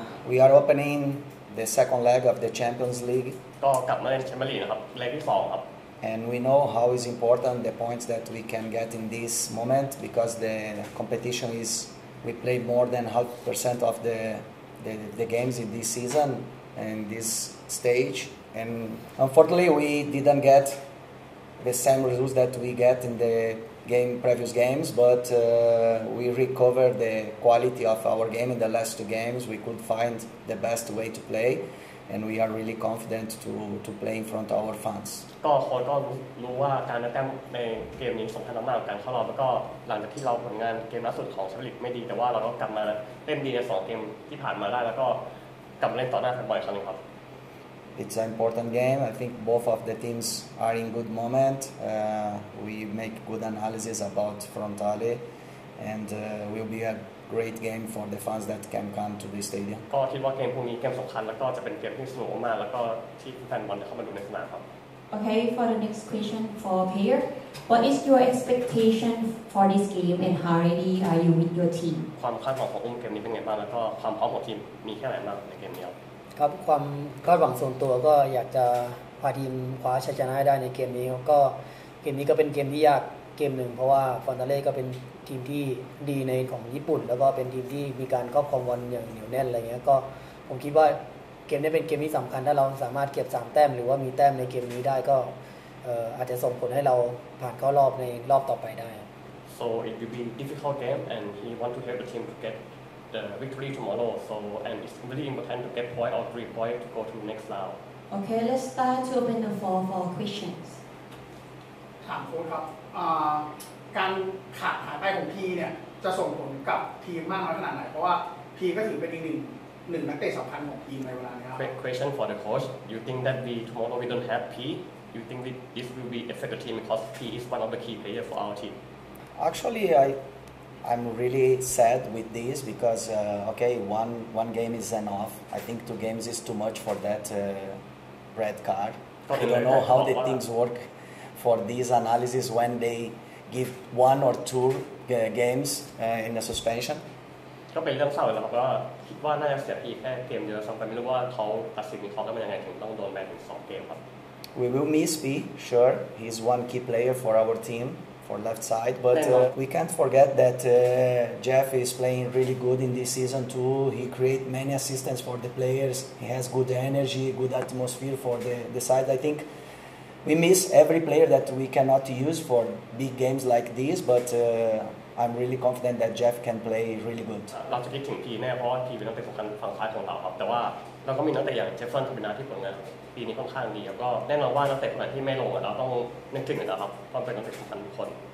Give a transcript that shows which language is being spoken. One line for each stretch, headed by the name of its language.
English: We are opening the second leg of the Champions League.
Thai: ก็กลับมาเล่นแชมเปี้ยนส์นะครับเลกที่2ครับ
English: And we know how is important the points that we can get in this moment because the competition is we play more than 100% of the games in this season and this stage and unfortunately we didn't get the same results that we get in the game previous games but we recovered the quality of our game in the last two games we could find the best way to play and we are really confident to play in front of our fans
Thai: ก็คนก็รู้ว่าการแต้มในเกมนี้สำคัญมากการเข้ารอบแล้วก็หลังจากที่เราผลงานเกมล่าสุดของชาลิกไม่ดีแต่ว่าเราก็กลับมาเล่นดีใน2เกมที่ผ่านมาได้แล้วก็กลับมาเล่นต่อหน้าแฟนบอลครั้งนี้ครับ
English: It's an important game. I think both of the teams are in good moment. We make good analysis about Frontale and will be a great game for the fans that can come to the stadium.
Thai: ก็คิดว่าเกมพรุ่งนี้เกมสำคัญแล้วก็จะเป็นเกมที่สนุกมากแล้วก็ที่แฟนบอลจะเข้ามาดูในสนามครับ
English: Okay, for the next question for Pierre, what is your expectation for this game and how ready are you with your team?
Thai: ความคาดหวังของเกมนี้เป็นไงบ้างแล้วก็ความพร้อมของทีมมีแค่ไหนบ้างในเกมนี้ครับความคาดหวังส่วนตัวก็อยากจะพาทีมคว้าชัยชนะได้ในเกมนี้ก็เกมนี้ก็เป็นเกมที่ยากเกมหนึ่งเพราะว่าฟอนตาเล่ก็เป็นทีมที่ดีในของญี่ปุ่นแล้วก็เป็นทีมที่มีการครอบครองบอลอย่างเหนียวแน่นอะไรเงี้ยก็ผมคิดว่าเกมนี้เป็นเกมที่สำคัญถ้าเราสามารถเก็บ3แต้มหรือว่ามีแต้มในเกมนี้ได้ก็อาจจะส่งผลให้เราผ่านเข้ารอบในรอบต่อไปได้
English: So it will be a difficult game and he want to help the team to get the victory tomorrow so and it's really important to get point or 3 point to go to next round Okay let's start to open the floor for questions
Thai: ถามโค้ชครับการขาดหายไปของพีเนี่ยจะส่งผลกับทีมมากน้อยขนาดไหนเพราะว่าพีก็ถือเป็นอีกหนึ่งนักเตะสำคัญของทีมในเวลานี้ครับ
English: Question for the coach You think that we tomorrow we don't have P You think this will be affect the team because P is one of the key player for our team Actually I'm really sad with this because okay one game is enough I think two games is too much for that red card I don't know how the things work for these analysis when they give one or two games in a suspension
Thai: ก็เป็นเรื่องเศร้าแล้วครับว่าคิดว่าน่าจะเสียอีกแค่เกมเดียวซ้ำไปไม่รู้ว่าเขาตัดสินเขาจะเป็นยังไงถึงต้องโดนแบนถึง2เกมครับ
English: We will miss P sure he's one key player for our team for left side but we can't forget that Jeff is playing really good in this season too he create many assistance for the players he has good energy good atmosphere for the side I think we miss every player that we cannot use for big games like this butI'm really confident that Jeff can play really good.
Thai: เราจะคิดถึงพีแน่เพราะพีเป็นนักเตะสำคัญฝั่งซ้ายของเราครับแต่ว่าเราก็มีนักเตะอย่างเจฟเฟอร์ทอมบินาที่ผลงานปีนี้ค่อนข้างดีแล้วก็แน่นอนว่านักเตะคนไหนที่ไม่ลงเราต้องนึกถึงนะครับเพราะเป็นนักเตะสำคัญทุกคน